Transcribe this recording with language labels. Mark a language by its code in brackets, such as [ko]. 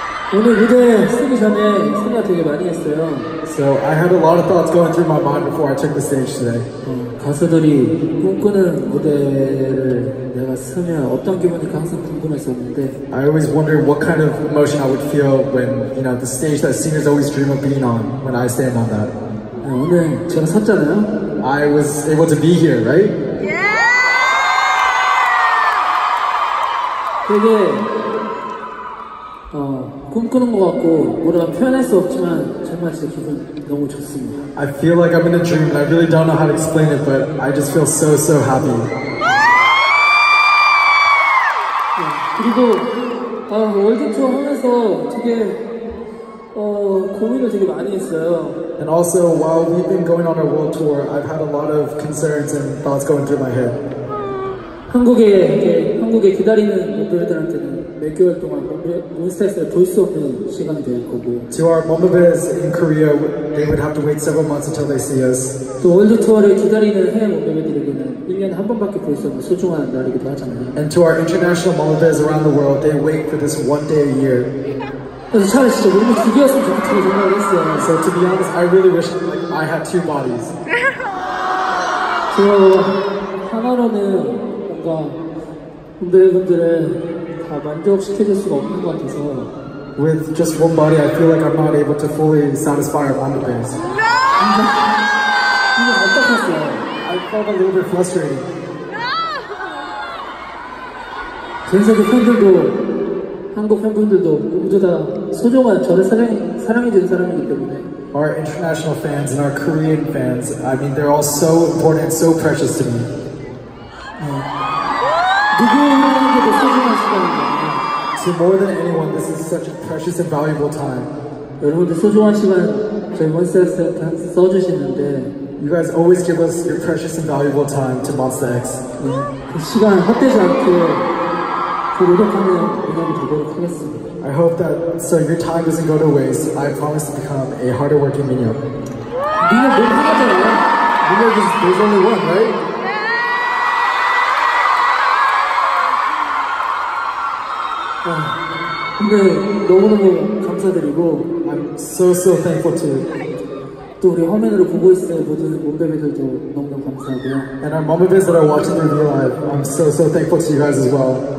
[ko] 오늘 무대 쓰기 전에 생각 되게 많이 했어요. [en] So I had a lot of thoughts going through my mind before I took the stage today. [ko] 가수들이 꿈꾸는 무대를 내가 서면 어떤 기분일까 항상 궁금했었는데. [en] I always wondered what kind of emotion I would feel when, you know, the stage that singers always dream of being on when I stand on that. [ko] 오늘 제가 섰잖아요. [en] I was able to be here, right? [ko] 되게 꿈꾸는 것 같고 뭐라 표현할 수 없지만 정말 진짜 기분 너무 좋습니다. [en] I feel like I'm in a dream. I really don't know how to explain it, but I just feel so happy. [ko] 그리고 월드투어 하면서 되게 고민을 되게 많이 했어요. [en] And also while we've been going on our world tour, I've had a lot of concerns and thoughts going through my head. [ko] 한국에 기다리는 멤버들한테는 몇 개월 동안 몬스타엑스를 볼 수 없는 시간이 될 거고. [en] To our members in Korea, they would have to wait several months until they see us. [ko] 또 월드 투어를 기다리는 해외 멤버들에게는 1년에 한 번밖에 볼 수 없는 소중한 날이기도 하잖아요. [en] And to our international members around the world, they wait for this one day a year. [ko] 그래서 차라리 진짜 우리 두 개였으면 좋겠다고 생각을 했어요. [en] So to be honest, I really wish I had two bodies. [ko] 저 하나로는 뭔가 멤버들을 다 만족시켜줄 수가 없는 것 같아서. [en] With just one body, I feel like I'm not able to fully satisfy our member base. No! [ko] 진짜 답답했어요. [en] I felt a little bit frustrated. No! [ko] 전 세계 팬들도 한국 팬분들도 모두 다 소중한 저를 사랑해준 사람이기 때문에. [en] Our international fans and our Korean fans, I mean, they're all so important, so precious to me. [ko] 누구에게도 [en] more than anyone, this is such a precious and valuable time. [ko] 여러분들 소중한 시간 저희 몬스타엑스에 써주시는데. [en] You guys always give us your precious and valuable time to MonsterX. [ko] 그 시간 헛되지 않게 노력하겠습니다. [en] I hope that so your time doesn't go to waste. I promise to become a harder working minion. [ko] 민혁 뭘 하잖아요. [en] 민혁 is there's only one, right? [ko] 근데 너무너무 감사드리고 [en] I'm so so thankful to you. [ko] 또 우리 화면으로 보고 있을 모든 몬베베들도 너무너무 감사하고요. [en] And our mombebes that are watching the real life, I'm so so thankful to you guys as well.